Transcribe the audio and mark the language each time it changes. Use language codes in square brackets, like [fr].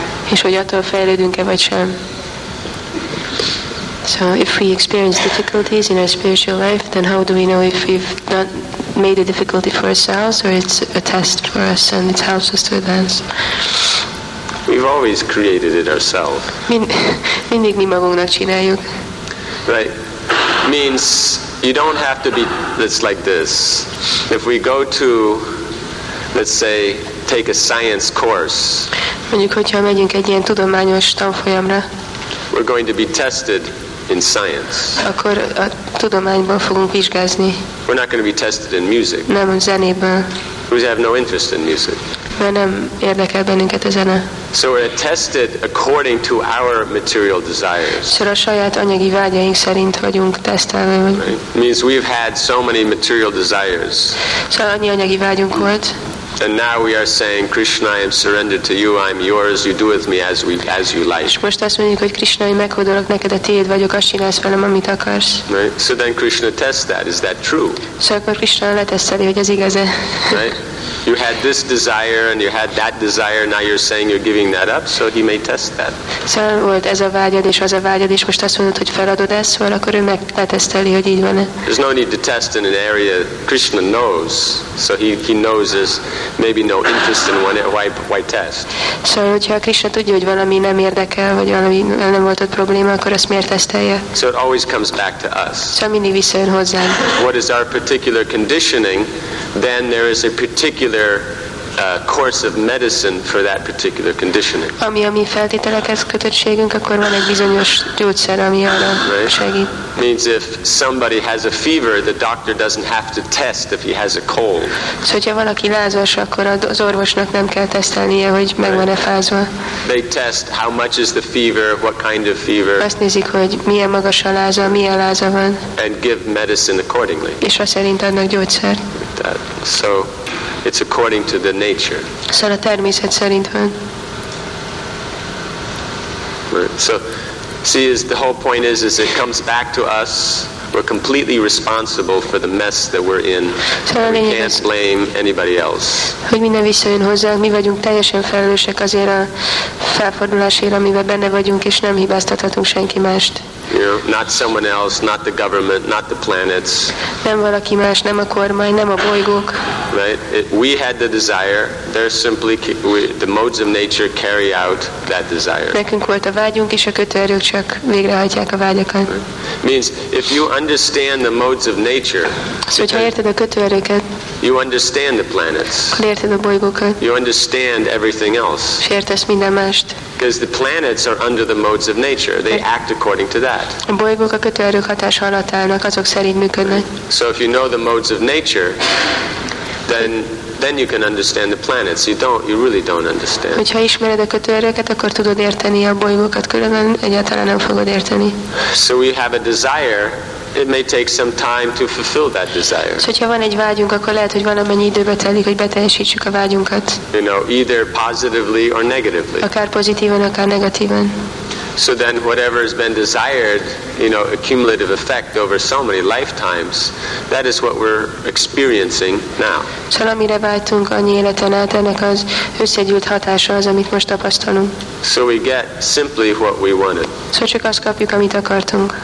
[hu] És hogy attól fejlődünk-e, vagy sem? [en] So if we experience difficulties in our spiritual life, then how do we know if we've not made a difficulty for ourselves, or it's a test for us and it helps us to advance? We've always created it ourselves. [hu] Mindig mi magunknak csináljuk. [en] Right. Means you don't have to be, it's like this. If we go to, let's say, take a science course. [hu] Mondjuk, hogyha megyünk egy ilyen tudományos tanfolyamra. [en] We're going to be tested in science. [hu] Akkor a tudományban fogunk vizsgázni. [en] We're not going to be tested in music. [hu] Nem a zenében. [en] We have no interest in music. [hu] Mert nem érdekel bennünket a zene. [en] So we're tested according to our material desires. [hu] Szóval a saját anyagi vágyaink szerint vagyunk tesztelve. [en] Right. Means we've had so many material desires. [hu] Szóval annyi anyagi vágyunk volt. [en] And now we are saying, Krishna, I am surrendered to you. I'm yours. You do with me as you like. [hu] Most azt mondjuk, hogy Krishna, én meghódolok neked, a tiéd vagyok, azt csinálsz velem, amit akarsz. [en] Right. So then Krishna tests that. Is that true? [hu] Szóval akkor Krishna leteszteli, hogy ez igaz-e. [en] Right. You had this desire and you had that desire. Now you're saying you're giving that up, so he may test that. [hu] Szóval volt ez a vágyad és az a vágyad, és most azt mondod, hogy feladod ezt, szóval akkor ő meg leteszteli, hogy így van-e. [en] There's no need to test in an area Krishna knows, so he knows this. Maybe no interest in one. Why test? [hu] So, hogyha Krishna tudja, hogy valami nem érdekel, vagy valami nem volt ott probléma, akkor ezt miért tesztelje? [en] So it always comes back to us. [hu] So mindig visszajön hozzánk. [en] What is our particular conditioning? Then there is a particular course of medicine for that particular conditioning. [hu] Ami a mi feltételekhez kötöttségünk, akkor van egy bizonyos gyógyszer, ami arra segít. [en] Means if somebody has a fever, the doctor doesn't have to test if he has a cold. [hu] Szóval, hogyha valaki lázas, akkor az orvosnak nem kell tesztelnie, hogy megvan-e fázva. [en] They test how much is the fever, what kind of fever. [hu] Azt nézik, hogy milyen magas a láza, milyen láza van. [en] And give medicine accordingly. [hu] És azt szerint adnak gyógyszer. [en] So it's according to the nature. [hu] Szóval a természet szerint van. [en] So see, is the whole point is it comes back to us. We're completely responsible for the mess that we're in. We can't blame anybody else. [hu] Hogy minden visszajön hozzánk, mi vagyunk teljesen felelősek azért a felfordulásért, amiben benne vagyunk, és nem hibáztathatunk senki mást. [en] You know, not someone else, not the government, not the planets. [hu] Nem valaki más, nem a kormány, nem a bolygók. [en] Right? We had the desire. They're simply the modes of nature carry out that desire. [hu] Nekünk volt a vágyunk, és a kötőerők csak végrehajtják a vágyakat. [en] Means if you understand the modes of nature. [hu] Szóval, hogyha érted a kötőerőket. [en] You understand the planets. [hu] Érted a bolygókat. [en] You understand everything else. [hu] És értesz minden mást. [en] Because the planets are under the modes of nature. They act according to that. [hu] A bolygók a kötőerők hatása alatt állnak, azok szerint működnek. [en] So if you know the modes of nature, then you can understand the planets. You really don't understand. [hu] Hogyha ismered a kötőerőket, akkor tudod érteni a bolygókat, különben egyáltalán nem fogod érteni. [en] So we have a desire. It may take some time to fulfill that desire. [hu] Szóval, ha van egy vágyunk, akkor lehet, hogy van amennyi időbe telik, hogy beteljesítsük a vágyunkat. [en] You know, either positively or negatively. [hu] Akár pozitívan, akár negatívan. [en] So then whatever has been desired, you know, a cumulative effect over so many lifetimes, that is what we're experiencing now. [hu] Szóval, amire vágytunk annyi életen át, ennek az összegyűlt hatása az, amit most tapasztalunk. [en] So we get simply what we wanted. [hu] Szóval csak azt kapjuk, amit akartunk.